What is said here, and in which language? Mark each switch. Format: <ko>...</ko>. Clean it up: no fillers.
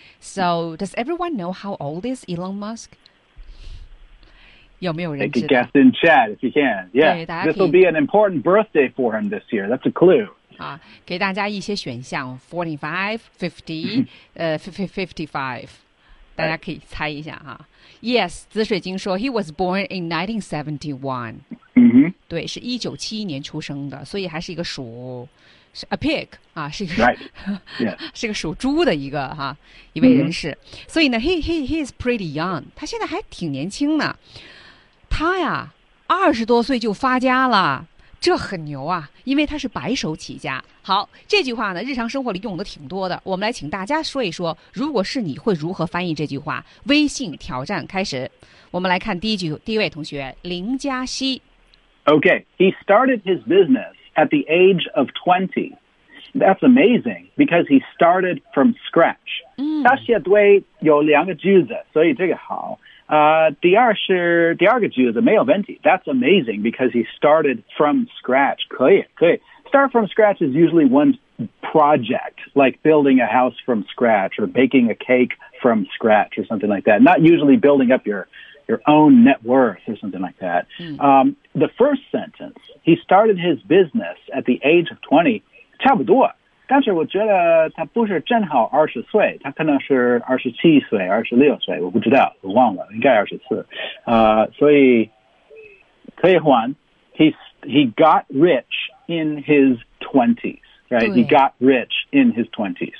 <en>So does everyone know how old is Elon Musk?</en> <zh>有没有人知道</zh> <en>？Take a guess in chat if you can. Yeah, this will be an important birthday for him this year. That's a clue.</en> <zh>啊，给大家一些选项 ，45, 50, 55, 大家可以猜一下哈。</zh> <en>Yes, 紫水晶说 ，He was born in 1971.</en> <zh>对，是1971年出生的，所以还是一个属是</zh> <en>a pig</en> <zh>啊，是一个、</zh> <en>right. yes.</en> <zh>是个属猪的一个哈、啊、一位人士。所以呢 ，</zh> <en>he is pretty young.</en> <zh>他现在还挺年轻呢。他呀，20多岁就发家了。这很牛啊，因为他是白手起家。好，这句话呢，日常生活里用的挺多的。我们来请大家说一说，如果是你会如何翻译这句话？微信挑战开始。我们来看第一句，第一位同学林嘉熙。</zh> <en>Okay, he started his business at the age of 20. That's amazing because he started from scratch.</en> <zh>他写对有两个句子，所以这个好。第二个句子没有问题。</zh> <en>That's amazing because he started from scratch.</en> <zh>可以，可以。</zh> <en>Start from scratch is usually one's project, like building a house from scratch or baking a cake from scratch or something like that. Not usually building up your own net worth or something like that.、The first sentence, he started his business at the age of 20,</en> <zh>差不多。但是我觉得他不是正好20岁，他可能是27岁、26岁，我不知道，我忘了，应该24。所以可以换</zh> <en>，he got rich in his 20s. Right? He got rich in his 20s.</en>